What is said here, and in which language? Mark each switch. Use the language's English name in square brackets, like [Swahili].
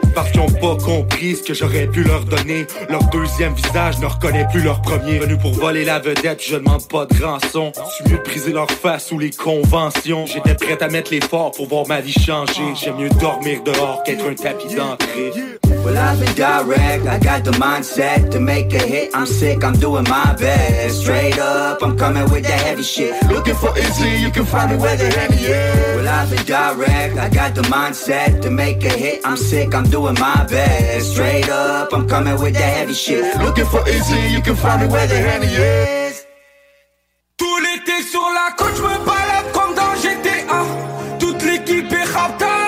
[French] Parce qu'ils ont pas compris ce que j'aurais pu leur donner. Leur deuxième visage ne reconnaît plus leur premier. Venu pour voler la vedette. Je demande pas de rançon. Suis mieux de briser leur face ou les conventions. J'étais prêt à mettre l'effort pour voir ma vie changer. J'aime mieux dormir dehors qu'être un tapis d'entrée. [English] Well, I've been direct, I got the mindset to make a hit, I'm sick, I'm doing my best. Straight up, I'm coming with the heavy shit. Looking for Izzy, you can find me where the heavy is. Well, I've been direct, I got the mindset to make a hit, I'm sick, I'm doing my best. Straight up, I'm coming with the heavy shit. Looking for Izzy, you can find me where the heavy is. [French] Tout l'été sur la côte, j'me balade comme dans GTA. Toute l'équipe est rapta.